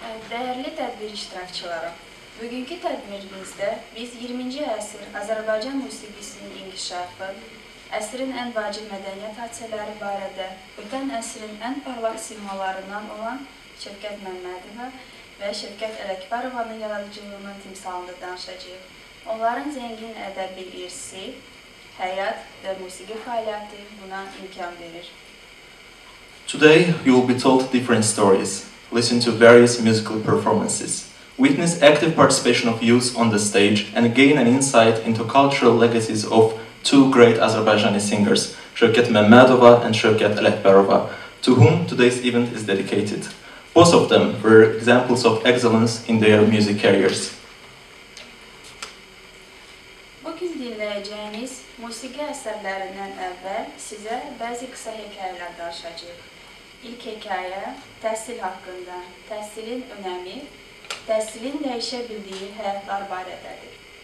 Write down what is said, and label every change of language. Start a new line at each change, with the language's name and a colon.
Azerbaijani: Dəyərli tədbir iştirakçıları, bugünkü tədbirimizdə biz 20-ci əsr Azərbaycan musiqisinin inkişafı, əsrin ən vacib mədəniyyət hadisələri barədə, ötən əsrin ən parlaq simalarından olan Şəfqət Məmmədovə və Şəfqət Ələkbarovanın yaradıcılığının timsalında danışacaq. Onların zəngin ədəbi irsi, həyat və musiqi fəaliyyəti buna imkan verir.
English: Today you will be told different stories, listen to various musical performances, witness active participation of youths on the stage and gain an insight into cultural legacies of two great Azerbaijani singers, Shavkat Mammadova and Shavkat Alekberova, to whom today's event is dedicated. Both of them were examples of excellence in their music careers.
Azerbaijani: Bugün dinləyəcəyiniz musiqi əsərlərindən əvvəl sizə bəzi qısa hekayələr danışacaq. İlk hekayə təhsil haqqında, təhsilin önəmi, təhsilin dəyişə bildiyi həyatlar barədədir.